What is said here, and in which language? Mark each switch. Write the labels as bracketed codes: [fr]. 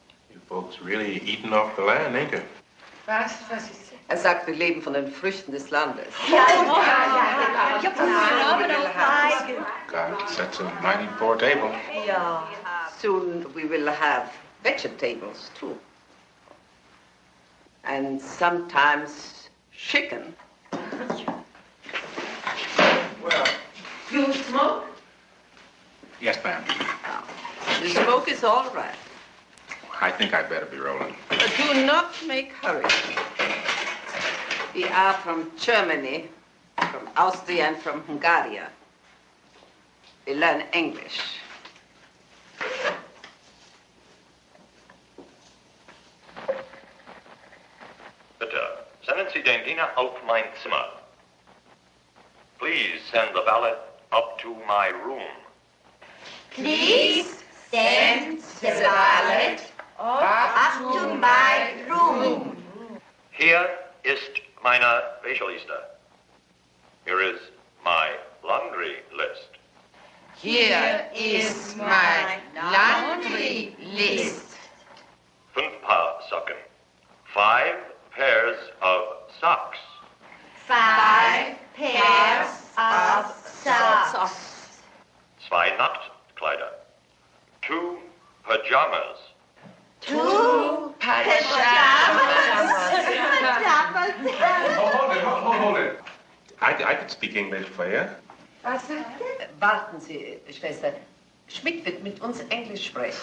[en] You folks really eating off the land, ain't you? [de] Was? Was ist? Er sagt, wir leben von den Früchten des Landes. Ja, ja, ja. Ich habe das Namen auch [en] God sets a mighty poor table. Ja. Soon we will have vegetables, too. And sometimes chicken. Well. You smoke? Yes, ma'am. The smoke is all right. I think I'd better be rolling. Do not make hurry. We are from Germany, from Austria, and from Hungary. We learn English. [de] Bitte, senden Sie den Diener auf mein Zimmer. [en] Please send the valet up to my room. Please send the valet up to my room. [de] Here ist meine Wäscheliste. [en] Here is my laundry list. Here is my laundry list. [de] 5 Paar Socken. [en] 5 pairs of socks. 5 pairs of socks. [de] 2 Nachtkleider. [en] 2 pajamas. Hold it. I could speak English for you. [de] Was sagt ihr? Warten Sie, Schwester. Schmidt wird mit uns Englisch sprechen.